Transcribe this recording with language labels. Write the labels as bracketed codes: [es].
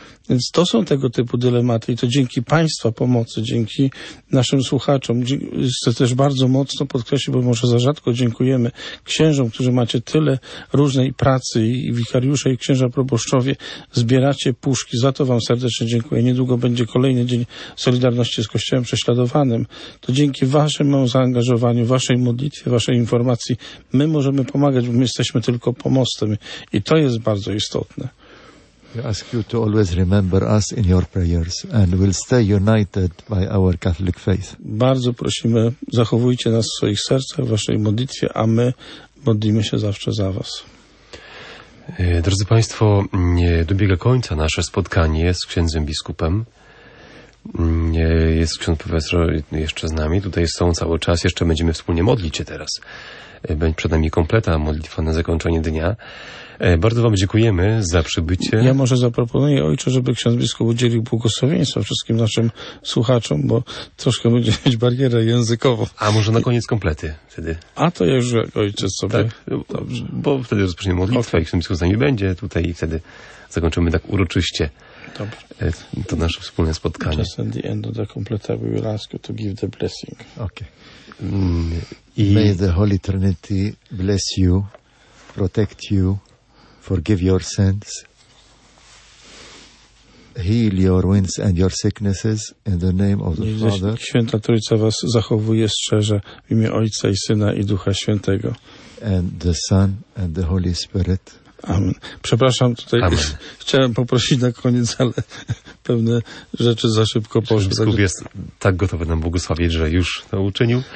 [pl] Więc to są tego typu dylematy i to dzięki Państwa pomocy, dzięki naszym słuchaczom, chcę też bardzo mocno podkreślić, bo może za rzadko dziękujemy księżom, którzy macie tyle różnej pracy i wikariusze, i księża proboszczowie, zbieracie puszki, za to Wam serdecznie dziękuję. Niedługo będzie kolejny Dzień Solidarności z Kościołem Prześladowanym. To dzięki Waszemu zaangażowaniu, Waszej modlitwie, Waszej informacji my możemy pomagać, bo my jesteśmy tylko pomostem i to jest bardzo istotne. [en] We ask you to always remember us in your prayers and we'll stay united by our Catholic faith. [pl] Bardzo prosimy, zachowujcie nas w swoich sercach, w waszej modlitwie, a my modlimy się zawsze za was. Drodzy Państwo, dobiega końca nasze spotkanie z księdzem biskupem. Jest ksiądz profesor jeszcze z nami, tutaj są cały czas, jeszcze będziemy wspólnie modlić się teraz. Będzie przed nami kompleta modlitwa na zakończenie dnia. Bardzo Wam dziękujemy za przybycie. Ja może zaproponuję ojcze, żeby ksiądz biskup udzielił błogosławieństwa wszystkim naszym słuchaczom, bo troszkę będzie mieć barierę językową. A może na koniec kompletę wtedy? A to ja już ojcze sobie. Tak, dobrze. Bo wtedy rozpoczniemy modlitwę, okay. I ksiądz biskup z nami będzie tutaj i wtedy zakończymy tak uroczyście. Dobrze. To nasze wspólne spotkanie. [en] Just at the end of the complete, we will ask you to give the blessing. Okay. May the Holy Trinity bless you, protect you, forgive your sins, heal your wounds and your sicknesses in the name of the Father. [pl] Święta Trójca was zachowuje, strzeże w imię Ojca i Syna i Ducha Świętego. [en] And the Son and the Holy Spirit. Amen. [pl] Przepraszam, tutaj Amen. Chciałem poprosić na koniec, ale pewne rzeczy za szybko poszły. Biskup także... jest tak gotowy nam błogosławić, że już to uczynił.